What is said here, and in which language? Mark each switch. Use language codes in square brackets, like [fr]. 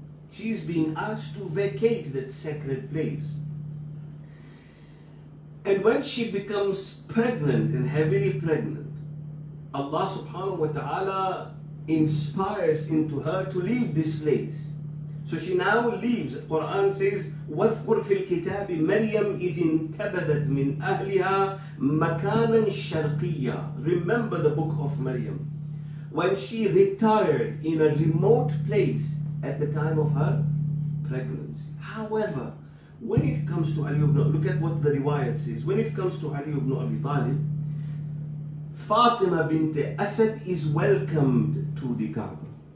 [en] She is being asked to vacate that sacred place. And when she becomes pregnant and heavily pregnant, Allah subhanahu wa ta'ala inspires into her to leave this place. So she now leaves. Quran says, [ar] وَذْكُرْ فِي الْكِتَابِ مَرْيَمْ إِذِ انْتَبَذَتْ مِنْ أَهْلِهَا مَكَانًا شَرْقِيًّا. [en] Remember the book of Maryam. When she retired in a remote place at the time of her pregnancy. However, when it comes to Ali ibn, look at what the riwayat says. When it comes to Ali ibn Abi Talib, Fatima bint Asad is welcomed to the Kaaba.